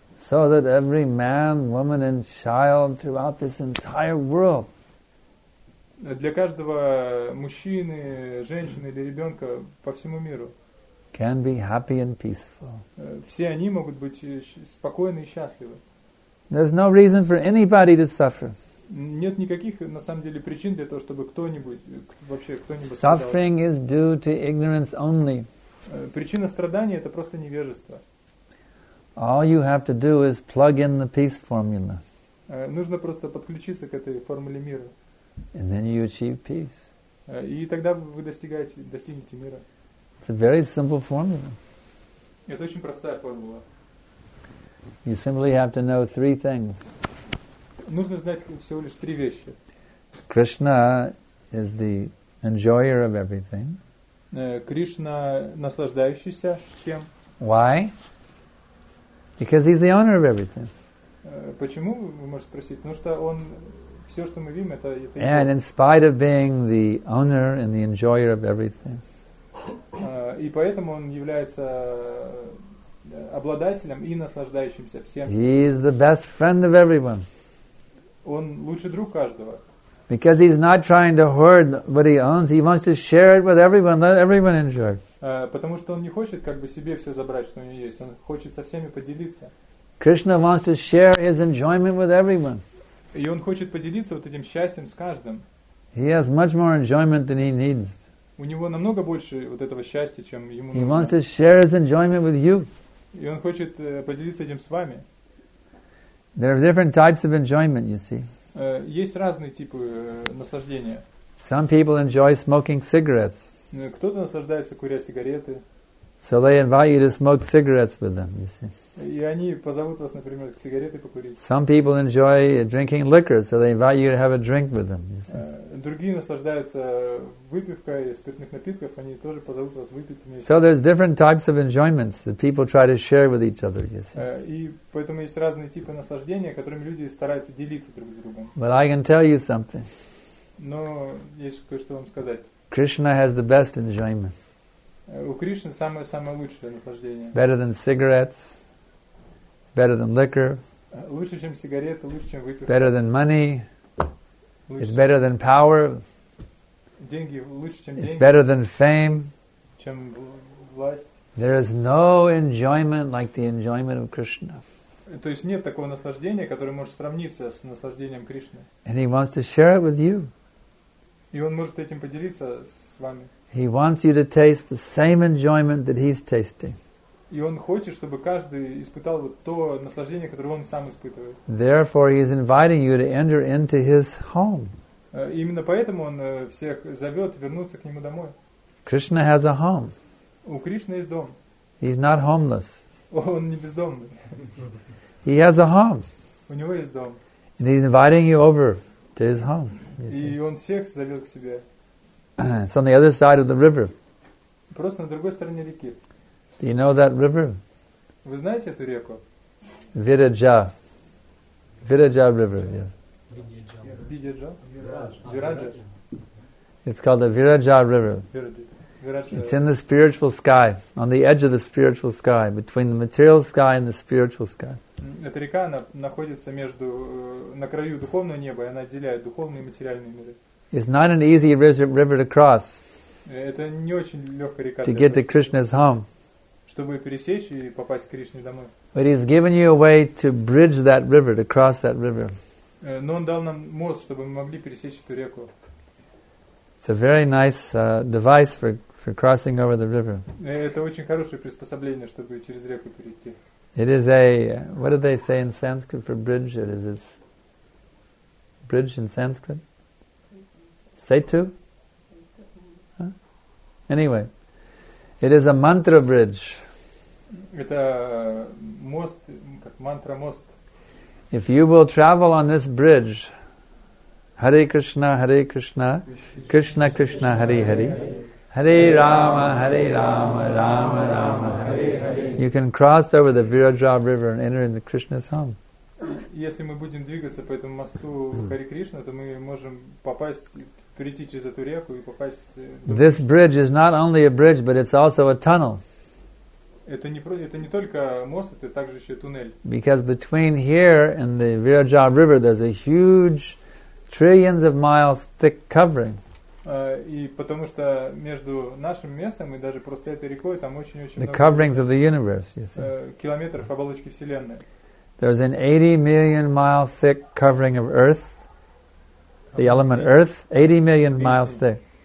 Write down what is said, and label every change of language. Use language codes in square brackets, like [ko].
[en] So that every man, woman, and child throughout this entire world. [ru] для каждого мужчины, женщины или ребенка по всему миру. [en] Can be happy and peaceful. [ru] Все они могут быть спокойны и счастливы. [en] There's no reason for anybody to suffer. [ru] Нет никаких, на самом деле, причин для того, чтобы кто-нибудь вообще кто-нибудь. [en] Suffering is due to ignorance only. [ru] Причина страдания — это просто невежество. [en] All you have to do is plug in the peace formula. [ru] Нужно просто подключиться к этой формуле мира. [en] And then you achieve peace. [ru] И тогда вы достигнете мира. [en] It's a very simple formula. [ru] Это очень простая формула. [en] You simply have to know three things. [ru] Нужно знать всего лишь три вещи. [en] Krishna is the enjoyer of everything. [ru] Кришна наслаждающийся всем. [en] Why? Because he's the owner of everything. [ru] Почему, вы можете спросить? Потому что он все, что мы видим, это. [en] And in spite of being the owner and the enjoyer of everything. [ru] И поэтому он является обладателем и наслаждающимся всем. [en] He is the best friend of everyone. [ru] Он лучший друг каждого. [en] Because he's not trying to hoard what he owns, he wants to share it with everyone, let everyone enjoy. [ru] Потому что он не хочет как бы себе все забрать, что у него есть. Он хочет со всеми поделиться. [en] Krishna wants to share his enjoyment with everyone. [ru] И он хочет поделиться вот этим счастьем с каждым. [en] He has much more enjoyment than he needs. [ru] У него намного больше вот этого счастья, чем ему нужно. [en] He wants to share his enjoyment with you. [ru] И он хочет поделиться этим с вами. [en] There are different types of enjoyment, you see. [ru] Есть разные типы наслаждения. [en] Some people enjoy smoking cigarettes. [ru] Кто-то наслаждается, куря сигареты. [en] So they invite you to smoke cigarettes with them, you see. [ru] И они позовут вас, например, сигареты покурить. [en] Some people enjoy drinking liquor, so they invite you to have a drink with them, you see. [ru] Другие наслаждаются выпивкой, спиртных напитков, они тоже позовут вас выпить вместе. [en] So there's different types of enjoyments that people try to share with each other, you see. [ru] И поэтому есть разные типы наслаждения, которыми люди стараются делиться друг с другом. [en] But I can tell you something. [ru] Но есть кое-что вам сказать. [en] Krishna has the best enjoyment. [ru] У Кришны самое лучшее наслаждение. [en] It's better than cigarettes. It's better than liquor. [ru] Лучше, чем сигареты, лучше, чем выпивка. [en] Better than money. [ru] Лучше. [en] It's better than power. [ru] Деньги лучше, чем деньги. [en] It's better than fame. [ru] Чем власть. [en] There is no enjoyment like the enjoyment of Krishna. [ru] То есть нет такого наслаждения, которое может сравниться с наслаждением Кришны. [en] And he wants to share it with you. [ru] И он может этим поделиться с вами. [en] He wants you to taste the same enjoyment that he's tasting. [ru] И он хочет, чтобы каждый испытал вот то наслаждение, которое он сам испытывает. [en] Therefore, he is inviting you to enter into his home. [ru] Именно поэтому он всех зовет вернуться к нему домой. [en] Krishna has a home. [ru] У Кришны есть дом. [en] He's not homeless. [ru] Он не бездомный. [en] He has a home. [ru] У него есть дом. [en] And he's inviting you over to his home. [ru] И он всех зовет к себе. [en] It's on the other side of the river. [ru] Просто на другой стороне реки. [en] Do you know that river? [ru] Вы знаете эту реку? [en] Виджа. Виджа River. Виджа. Виджа. It's called the Виджа River. It's in the spiritual sky, on the edge of the spiritual sky, between the material sky and the spiritual sky. [ru] Эта река находится между на краю духовного неба, и она отделяет духовные и материальные миры. [en] It's not an easy river to cross. [ru] Это не очень легкая река. [en] To get to Krishna's home. [ru] Чтобы пересечь и попасть к Кришне домой. [en] But he's given you a way to bridge that river, to cross that river. [ru] Но он дал нам мост, чтобы мы могли пересечь эту реку. [en] It's a very nice device for crossing over the river. [ru] Это очень хорошее приспособление, чтобы через реку перейти. [en] It is a what do they say in Sanskrit for bridge? It is this bridge in Sanskrit. Setu? Huh? Anyway, it is a mantra bridge. [ru] Это мост, как мантра мост. [en] If you will travel on this bridge, Hare Krishna, Hare Krishna, Krishna Krishna, Hare Hare, Hare Rama, Hare Rama, Rama Rama, Hare Hare. You can cross over the Viraja River and enter into Krishna's home. [ru] Если мы будем двигаться по этому мосту Хари Кришна, то мы можем перейти через эту реку и попасть. [en] This bridge is not only a bridge, but it's also a tunnel. [ru] Это не только мост, это также еще туннель. [en] Because between here and the Viraja River, there's a huge trillions of miles thick covering. [ru] И потому что между нашим местом и даже просто этой рекой там очень-очень [en] the coverings of the universe, you see. [ru] Километров оболочки Вселенной. [en] There's an 80 million mile thick covering of Earth, the element Earth, 80 million miles thick.